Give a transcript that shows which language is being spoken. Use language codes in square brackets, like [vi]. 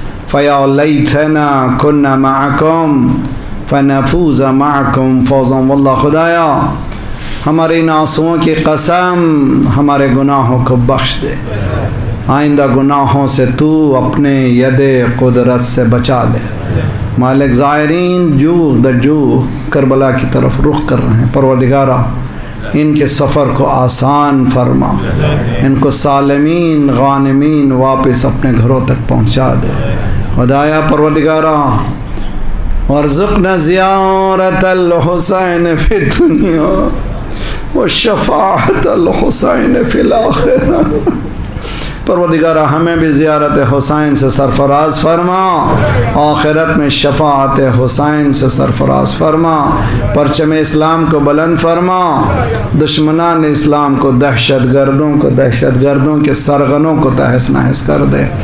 [ar] فيا ليتنا كنا معكم فنفوز معكم فوزا. [ur] والله خدایا ہمارے ناسوں کی قسم ہمارے گناہوں کو بخش دے آئندہ گناہوں سے تو اپنے ید قدرت سے بچا لے. مالک زائرین جوغ در جوغ کربلا کی طرف رخ کر رہے ہیں پروردگارہ ان کے سفر کو آسان فرما ان کو [ar] سالمین غانمین [ur] واپس اپنے گھروں تک پہنچا دے. [ar] خدایا پروردگارہ وارزقنا زيارة الحسين في الدنيا وشفاعة الحسين في الآخرة. [ur] پروردگار ہمیں بھی زیارت حسین سے سرفراز فرما آخرت میں شفاعت حسین سے سرفراز فرما. پرچم اسلام کو بلند فرما دشمنان اسلام کو دہشت گردوں کو دہشت گردوں کے سرغنوں کو تہس نہس کر دے.